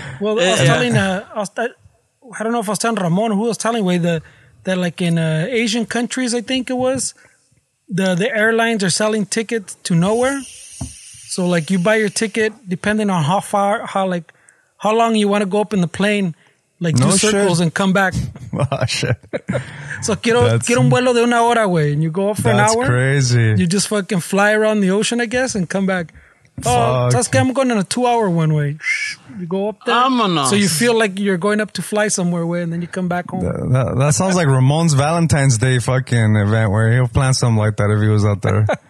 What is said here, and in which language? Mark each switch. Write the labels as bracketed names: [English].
[English] Well, I don't know if I was telling Ramon who was telling me that like in Asian countries, I think it was the airlines are selling tickets to nowhere. So like you buy your ticket depending on how long you want to go up in the plane. Like no do circles shit. And come back. Oh, shit. [Spanish] So quiero un vuelo de una hora, güey. [English] And you go off for an hour. That's crazy. You just fucking fly around the ocean, I guess, and come back. Oh, that's okay. I'm going on a 2-hour one way. You go up there. I'm enough. So you feel like you're going up to fly somewhere, way, and then you come back home. That sounds like Ramon's Valentine's Day fucking event where he'll plan something like that if he was out there.